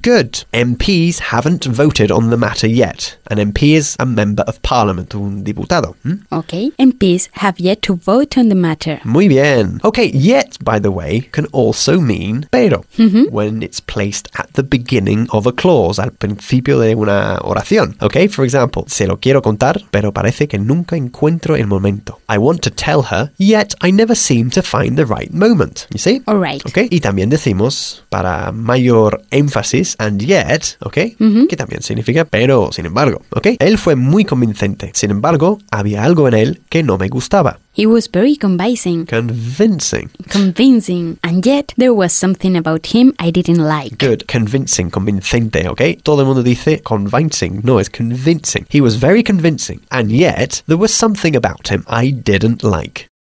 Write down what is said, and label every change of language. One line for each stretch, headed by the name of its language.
English: Good. MPs haven't voted on the matter yet. An MP is a member of parliament,
Spanish: un diputado.
English: Okay. MPs have yet to vote on the matter.
Spanish: Muy bien.
English: Okay, yet, by the way, can also mean pero. When it's placed at the beginning of a clause,
Spanish: al principio de una oración.
English: Okay, for example,
Spanish: se lo quiero contar, pero parece que nunca encuentro el momento.
English: I want to tell her, yet I never seem to find the right moment. You see? All right.
Spanish: Okay, y también decimos, para mayor énfasis, and yet, okay, que también significa pero, sin embargo. Okay, él fue muy convincente. Sin embargo, había algo en él que no me gustaba.
English: He was very convincing. Convincing. Convincing. And yet, there was something about him I didn't like.
Spanish: Good. Convincing. Convincente, okay? Todo el mundo dice convincing.
English: No, it's convincing. He was very convincing. And yet, there was something about him I didn't like.